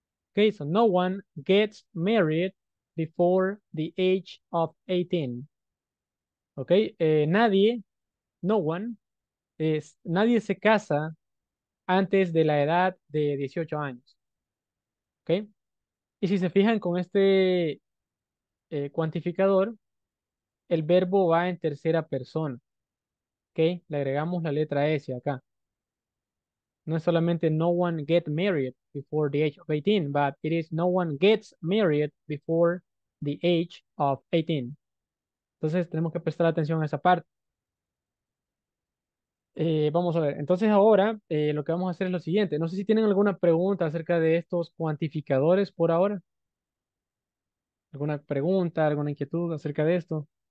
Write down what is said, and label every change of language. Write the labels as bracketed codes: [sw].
[en] Okay, so no one gets married before the age of 18. [es] Okay, nadie, [en] no one, [es] es, nadie se casa antes de la edad de 18 años. Okay, y si se fijan con este cuantificador, el verbo va en tercera persona. Okay, le agregamos la letra S acá. No es solamente [en] no one get married before the age of 18, but it is no one gets married before the age of 18. [es] Entonces tenemos que prestar atención a esa parte. Vamos a ver. Entonces ahora lo que vamos a hacer es lo siguiente. No sé si tienen alguna pregunta acerca de estos cuantificadores por ahora. ¿Alguna pregunta, alguna inquietud acerca de esto?